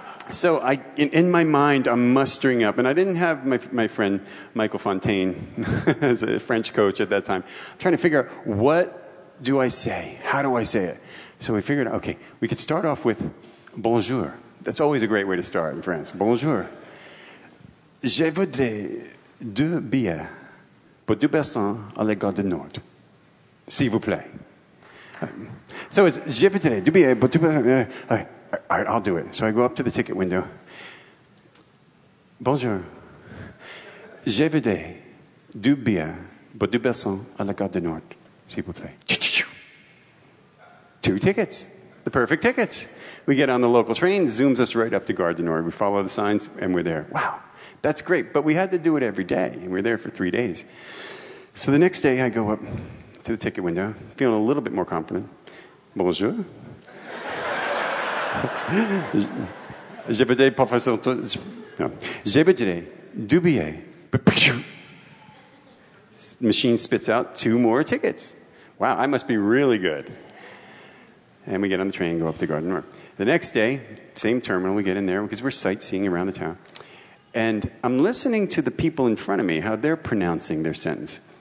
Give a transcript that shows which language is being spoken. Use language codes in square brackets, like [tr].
[en] So I, in my mind, I'm mustering up, and I didn't have my friend Michael Fontaine as a French coach at that time. I'm trying to figure out, what do I say? How do I say it? So we figured out, okay, we could start off with bonjour. That's always a great way to start in France. [fr] Bonjour. Je voudrais deux billets pour deux personnes à la Gare du Nord. S'il vous plaît. [en] So it's [fr] je voudrais deux billets pour deux personnes. [en] All right, I'll do it. So I go up to the ticket window. [fr] Bonjour. Je voudrais deux billets pour deux personnes à la Gare du Nord. S'il vous plaît. [en] Two tickets. The perfect tickets. We get on the local train, zooms us right up to Gare du Nord. We follow the signs, and we're there. Wow, that's great. But we had to do it every day, and we're there for 3 days. So the next day, I go up to the ticket window, feeling a little bit more confident. [fr] Bonjour. Je voudrais pas faire ça. Je voudrais deux billets. [en] Machine spits out two more tickets. Wow, I must be really good. And we get on the train and go up to Gare du Nord. The next day, same terminal, we get in there because we're sightseeing around the town. And I'm listening to the people in front of me, how they're pronouncing their sentence.